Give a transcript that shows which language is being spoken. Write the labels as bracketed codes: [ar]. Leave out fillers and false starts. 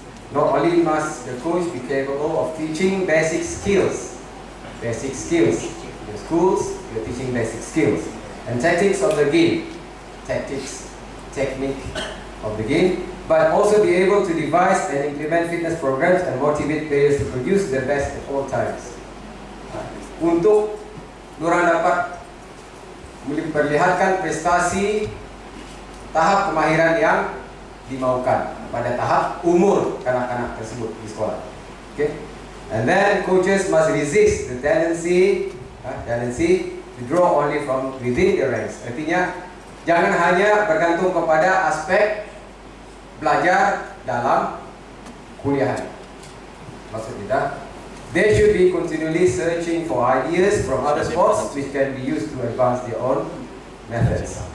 [en] Not only must the coach be capable of teaching basic skills, the schools, you're teaching basic skills, and tactics of the game, tactics, technique of the game, but also be able to devise and implement fitness programs and motivate players to produce the best at all times. [ms] Untuk Nurah dapat memperlihatkan prestasi tahap kemahiran yang dimaukan pada tahap umur kanak-kanak tersebut di sekolah. [en] Okay, and then coaches must resist the tendency, tendency to draw only from within the ranks. [ms] Artinya, jangan hanya bergantung kepada aspek belajar dalam kuliah. Maksud kita, [en] they should be continually searching for ideas from other sports which can be used to advance their own methods.